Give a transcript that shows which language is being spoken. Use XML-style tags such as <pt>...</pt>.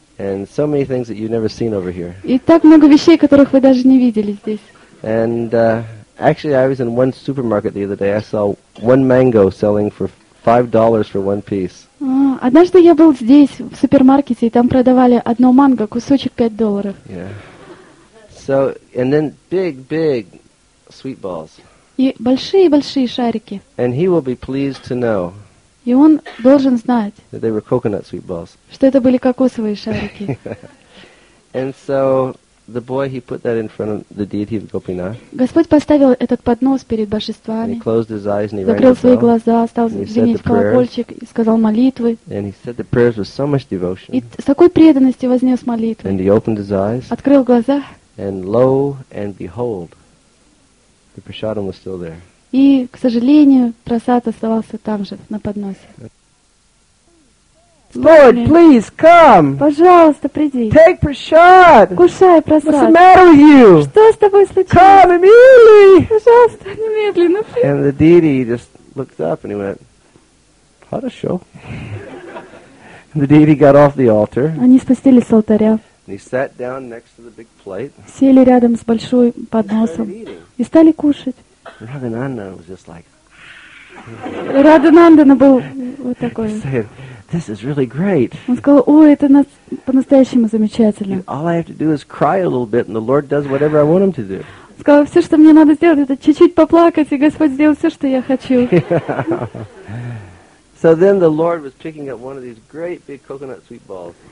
<en>And so many things that you've never seen over here.</en> <ru>И так много вещей, которых вы даже не видели здесь.</ru> <en>And actually, I was in one supermarket the other day. I saw one mango selling for $5 for one piece.</en> <ru>Однажды я был здесь, в супермаркете, и там продавали одно манго, кусочек $5.</ru> <en>Yeah. So, and then big, big sweet balls.</en> <ru>И большие-большие шарики.</ru> <en>And he will be pleased to know.</en> <ru>И он должен знать,</ru> <en>that they were coconut sweet balls.</en> <ru>Что это были кокосовые шарики.</ru> <en>And so, the boy, he put that in front of the deity of Gopinath.</en> <ru>Господь поставил этот поднос перед божествами.</ru> <en>And he closed his eyes and he</en> <ru>закрыл свои глаза, стал звенеть колокольчик и сказал молитвы.</ru> <en>And he said the prayers with so much devotion.</en> <ru>И с такой преданностью вознес молитвы.</ru> <en>And he opened his eyes.</en> <ru>Открыл глаза.</ru> <en>And lo and behold, the prasadam was still there.</en> <ru>И, к сожалению, прасад оставался там же на подносе.</ru> <en>Lord, please come.</en> <ru>Пожалуйста, приди.</ru> <en>Take prasad.</en> <ru>Кушай прасад.</ru> <en>What's the matter with you?</en> <ru>Что с тобой случилось?</ru> <en>Come immediately.</en> <ru>Пожалуйста, немедленно.</ru> <en>And the deity just looked up and he went, "How to show?" The deity got off the altar.</en> <ru>Они спустились с алтаря.</ru> <en>And he sat down next to the big plate.</en> <ru>Сели рядом с большой подносом и стали кушать.</ru> <en>Рагананда was just like.</en> <ru>Рагананда был вот такой.</ru> <en>This is really great.</en> <ru>Он сказал: "Ой, это нас по-настоящему замечательно."</ru> <en>All I have to do is cry a little bit, and the Lord does whatever I want Him to do.</en> <ru>Сказал: "Все, что мне надо сделать, это чуть-чуть поплакать, и Господь сделает все, что я хочу."</ru> <en>So then the Lord was picking up one of these great big coconut sweet balls.</en>